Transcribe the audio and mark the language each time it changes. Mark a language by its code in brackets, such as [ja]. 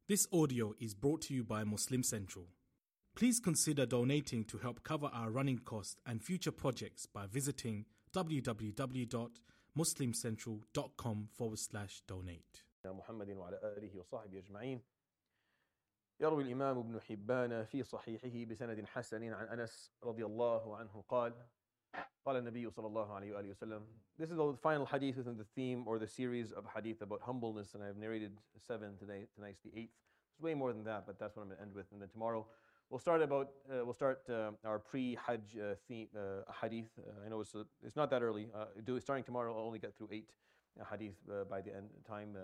[en] This audio is brought to you by Muslim Central. Please consider donating to help cover our running costs and future projects by visiting www.muslimcentral.com/donate. [ar] يا محمد وعلى آله وصحبه أجمعين. يروي الإمام ابن حبان في صحيحه بسند حسن عن أنس رضي الله عنه قال قال النبي صلى الله عليه وآله وسلم. [en] This is the final hadith within the theme or the series of hadith about humbleness, and I have narrated seven today. Tonight's the eighth. It's way more than that, but that's what I'm going to end with. And then tomorrow we'll start our pre-Hajj hadith. I know it's not that early. Starting tomorrow, I'll only get through eight hadith by the end of time.